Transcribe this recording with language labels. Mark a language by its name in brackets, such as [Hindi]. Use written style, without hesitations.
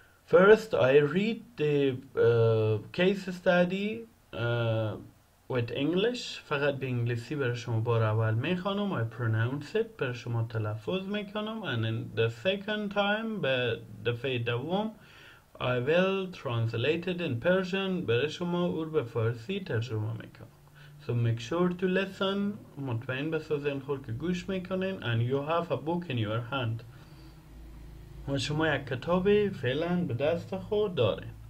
[English] First, I read the case study with English. [Persian] فقط به انگلیسی برای شما بار اول میخوانم. [English] I pronounce it [Persian] برای شما تلفظ میکنم. [English] And in the second time, [Persian] به دفعه دوم, [English] I will translate it in Persian [Persian] برای شما او به فارسی ترجمه میکنم. [English] So make sure to listen. [Persian] مطمئن بسازین خور که گوش میکنین. [English] And you have a book in your hand. [Persian] و شما یک کتاب فعلا به دست خود داره.